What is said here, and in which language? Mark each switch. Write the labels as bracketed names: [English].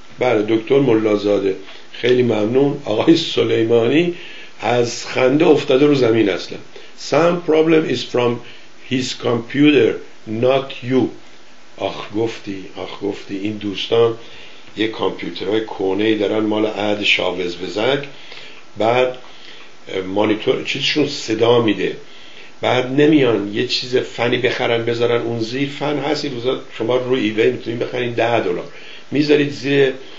[Persian] بله دکتر ملازاده خیلی ممنون. آقای سلیمانی از خنده افتاده رو زمین اصلا. [English] Some problem is from his computer not you. [Persian] آخ گفتی این دوستان یه کامپیوترهای کهنه‌ای دارن مال عهد شاوز بزک، بعد مانیتور چیزشون صدا میده، بعد نمیان یه چیز فنی بخرن بذارن اون زیر، فن هستی بذار شما روی ایبی میتونید بخرین 10 دلار میذارید زیر